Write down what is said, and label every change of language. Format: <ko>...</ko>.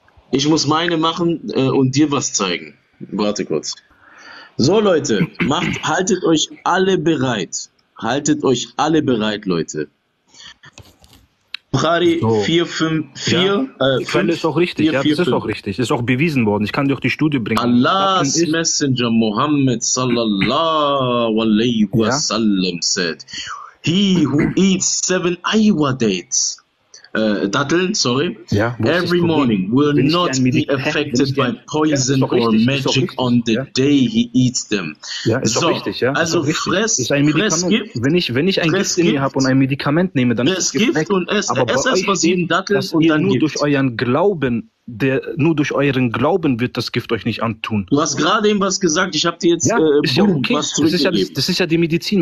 <de>Ich muss meine machen und dir was zeigen. Warte kurz. So, Leute, haltet euch alle bereit. Haltet euch alle bereit, Leute. Bukhari 4, 5, 4. Quelle ist auch richtig. 4, 4, ja, das ist auch richtig. Ist auch bewiesen worden. Ich kann dir auch die Studie bringen.</de> <en>Allahs Messenger Muhammad</en> <ar>sallallahu alaihi wasallam</ar> <en>said, he who eats 7 aywa dates, Datteln, sorry, every morning will not be affected by poison or magic on the day he eats them.</en> <de>Ja, ist so, auch richtig, ja. Also Fressgift. Wenn ich ein Gift in mir habe und ein Medikament nehme, dann ist Gift und es weg. Aber bei euch sehen, dass ihr dann nur durch euren Glauben, nur durch euren Glauben wird das Gift euch nicht antun. Du hast gerade eben was gesagt, ich habe dir jetzt Das ist ja die Medizin.</de>